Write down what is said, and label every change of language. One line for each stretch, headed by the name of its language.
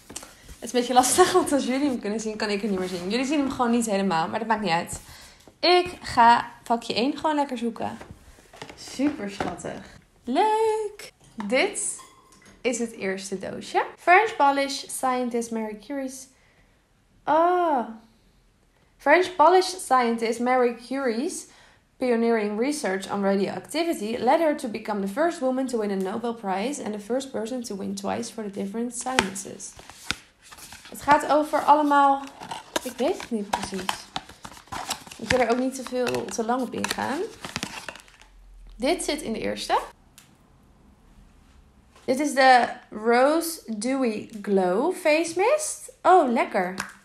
Dutch: Het is een beetje lastig, want als jullie hem kunnen zien, kan ik hem niet meer zien. Jullie zien hem gewoon niet helemaal, maar dat maakt niet uit. Ik ga pakje 1 gewoon lekker zoeken. Super schattig. Leuk! Dit is het eerste doosje.
English: French Polish Scientist Marie Curie's. Oh! French Polish Scientist Marie Curie's pioneering research on radioactivity led her to become the first woman to win a Nobel Prize and the first person to win twice for the different sciences.
Dutch: Het gaat over allemaal. Ik weet het niet precies. Ik wil er ook niet te lang op ingaan. Dit zit in de eerste. Dit is de Rose Dewy Glow Face Mist. Oh, lekker.